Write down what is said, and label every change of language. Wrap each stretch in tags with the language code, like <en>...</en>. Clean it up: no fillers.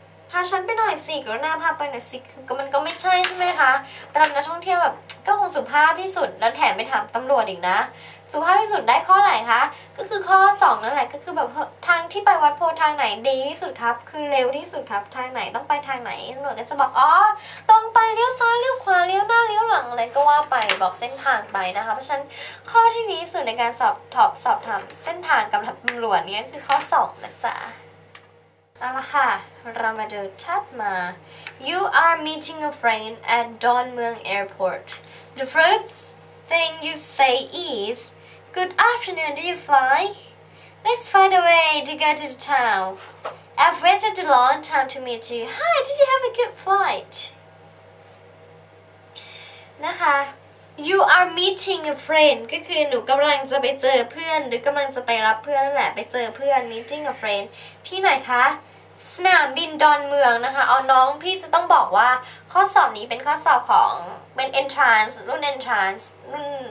<th>พาฉันไปหน่อยสิกรุณาพาไปหน่อยสิคือมันก็ไม่ใช่ใช่ไหมคะเรานักท่องเที่ยวแบบก็คงสุภาพที่สุดแล้วแถมไปถามตำรวจอีกนะสุภาพที่สุดได้ข้อไหนคะก็คือข้อ2นั่นแหละก็คือแบบทางที่ไปวัดโพทางไหนดีที่สุดครับคือเร็วที่สุดครับทางไหนต้องไปทางไหนตำรวจก็จะบอกอ๋อต้องไปเลี้ยวซ้ายเลี้ยวขวาเลี้ยวหน้าเลี้ยวหลังอะไรก็ว่าไปบอกเส้นทางไปนะคะเพราะฉะนั้นข้อที่ดีที่สุดในการสอบถามเส้นทางกับตำรวจเนี้ยคือข้อ2นะจ๊ะ เอาละค่ะเรามาดูชัดมา</th> <en>You are meeting a friend at Don Mueang Airport. The first thing you say is, "Good afternoon, do you fly? Let's find a way to go to the town. I've waited a long time to meet you. Hi, did you have a good flight?"</en> <th>นะคะ</th> <en>You are meeting a friend</en> <th>ก็คือหนูกำลังจะไปเจอเพื่อนหรือกำลังจะไปรับเพื่อนนั่นแหละไปเจอเพื่อน meeting a friend ที่ไหนคะสนามบินดอนเมืองนะคะเอาน้องพี่จะต้องบอกว่าข้อสอบนี้เป็นข้อสอบของเป็น entrance รุ่น entrance รุ่น</th>